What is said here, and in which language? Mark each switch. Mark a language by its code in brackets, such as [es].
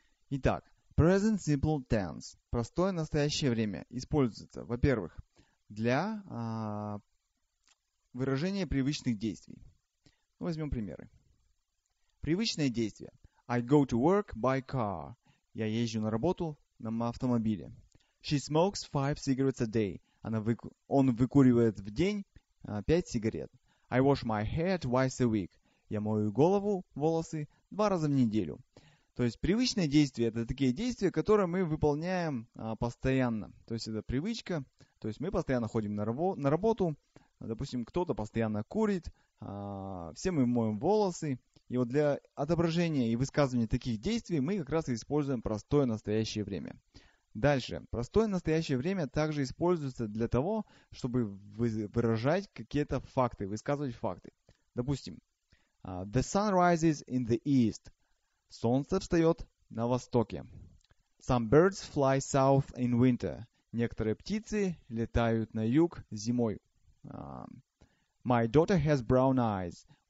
[ru] Итак, Present Simple Tense – простое настоящее время – используется, во-первых, для выражения привычных действий. Ну, возьмем примеры. Привычное действие. [en] I go to work by car. [ru] Я езжу на работу на автомобиле. [en] She smokes 5 cigarettes a day. [ru] Он выкуривает в день 5 сигарет. [en] I wash my hair twice a week. [ru] Я мою голову, волосы, 2 раза в неделю. То есть привычные действия – это такие действия, которые мы выполняем постоянно. То есть это привычка. То есть мы постоянно ходим на работу. Допустим, кто-то постоянно курит. Все мы моем волосы. И вот для отображения и высказывания таких действий мы как раз и используем простое настоящее время. Дальше. Простое настоящее время также используется для того, чтобы выражать какие-то факты, высказывать факты. Допустим, [en] the sun rises in the east. [ru] Солнце встает на востоке. [en] Some birds fly south in winter. [ru] Некоторые птицы летают на юг зимой. [en] My daughter has brown eyes.